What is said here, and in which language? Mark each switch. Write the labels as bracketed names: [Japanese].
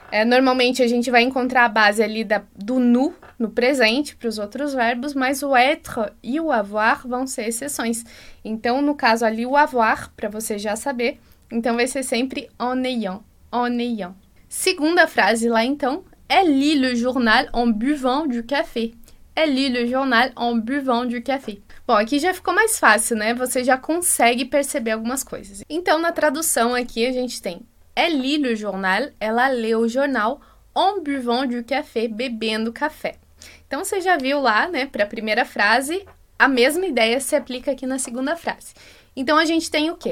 [Portuguese] Normalmente, a gente vai encontrar a base ali do nu, no presente, para os outros verbos, mas [French] o être e o avoir [Portuguese] vão ser exceções. Então, no caso ali, o avoir, para você já saber, então vai ser sempre [French] en ayant, en ayant. [Portuguese] Segunda frase lá, então, [French] elle lit le journal en buvant du café. Elle lit le journal en buvant du café. [Portuguese] Bom, aqui já ficou mais fácil, né? Você já consegue perceber algumas coisas. Então, na tradução aqui, a gente tem... [French] Elle lit le journal, [Portuguese] ela leu o jornal [French] en buvant du café, [Portuguese] bebendo café. Então, você já viu lá, né, para a primeira frase, a mesma ideia se aplica aqui na segunda frase. Então, a gente tem o quê?